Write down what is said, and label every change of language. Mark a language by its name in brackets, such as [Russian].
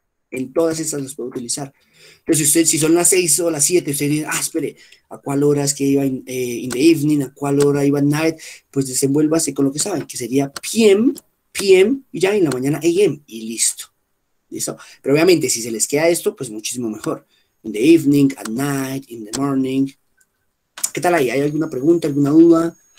[Spanish] En todas esas las puedo utilizar. Pero si usted, si son las 6 o las 7, usted dice, ah, espere, ¿a cuál hora es que iba [English] in the evening? [Spanish] ¿A cuál hora iba night? Pues desenvuélvase con lo que saben, que sería PM, PM, y ya en la mañana AM, y listo. ¿Listo? Pero obviamente, si se les queda esto, pues muchísimo mejor. [English] In the evening, at night, in the morning. [Spanish] ¿Qué tal ahí? ¿Hay alguna pregunta, alguna duda?